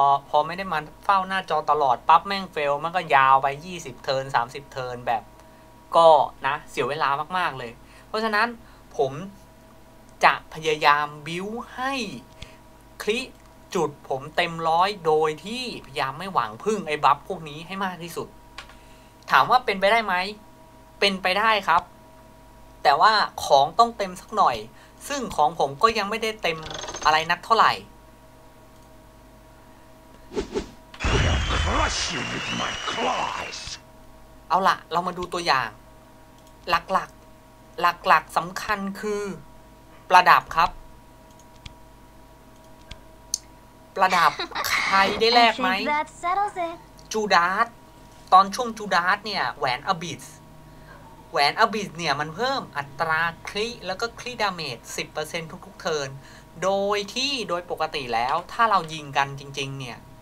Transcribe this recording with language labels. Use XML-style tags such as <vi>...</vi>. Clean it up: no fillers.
<th>พอไม่ได้มาเฝ้าหน้าจอตลอดปั๊บแม่งเฟลมันก็ยาวไป20เทิร์น30เทิร์นแบบก็นะเสียเวลามากๆเลยเพราะฉะนั้นผมจะพยายามบิ้วให้คลิจุดผมเต็มร้อยโดยที่พยายามไม่หวังพึ่งไอ้บัฟพวกนี้ให้มากที่สุดถามว่าเป็นไปได้ไหมเป็นไปได้ครับแต่ว่าของต้องเต็มสักหน่อยซึ่งของผมก็ยังไม่ได้เต็มอะไรนักเท่าไหร่</th> <en>I'll crush you with my claws.</en> <th>เอาล่ะเรามาดูตัวอย่างหลักๆสำคัญคือประดับครับประดับใครได้แลกไหมจูดาสตอนช่วงจูดาสเนี่ยแหวนอบิสเนี่ยมันเพิ่มอัตราคริแล้วก็คริดาเมจ 10% ทุกๆเทิร์นโดยปกติแล้วถ้าเรายิงกันจริงๆเนี่ย</th>